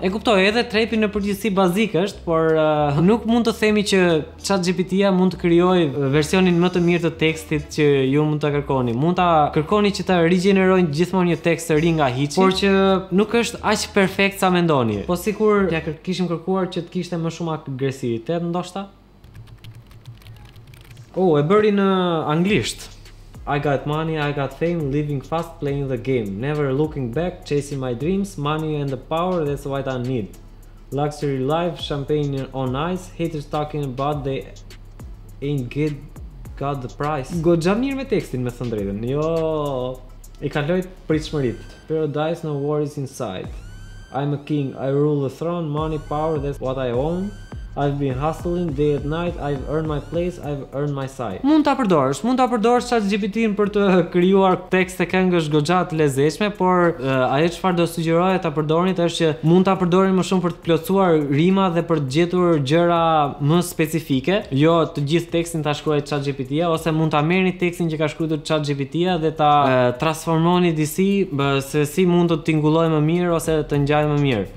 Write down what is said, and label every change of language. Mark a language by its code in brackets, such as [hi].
[sq] E kuptoj, edhe trepi në përgjithësi bazik është, por nuk mund të themi që ChatGPT-ja mund të krijojë versionin më të mirë të tekstit që ju mund ta kërkoni. Mund ta kërkoni që ta rigjenerojnë gjithmonë një tekst të ri nga hiçi, por që nuk është aq perfekt sa mendoni. Po sikur ja kishim kërkuar që të kishte më shumë agresivitet ndoshta. Oh, e bëri në anglisht. [en] I got money, I got fame, living fast, playing the game, never looking back, chasing my dreams, money and the power, that's what I need. Luxury life, champagne on ice, haters talking about they ain't good, got the price. [sq] Goxha mirë me tekstin, me thënë drejtën. Jo, i kaloj pritshmëritë. [en] Paradise, no worries inside. I'm a king, I rule the throne, money, power, that's what I own. I've been hustling day and night, I've earned my place, I've earned my side. [sq] Mund ta përdorësh ChatGPT-n për të krijuar tekste këngësh goxha të lezetshme, por ajo çfarë do sugjeroja ta përdornit është që mund ta përdorni më shumë për të plotësuar rima dhe për të gjetur gjëra më specifike, jo të gjithë tekstin ta shkruaj ChatGPT-ja, ose mund ta merrni tekstin që ka shkruar ChatGPT-ja dhe ta transformoni disi se si mund të tingulloj më mirë ose të ngjaj më mirë.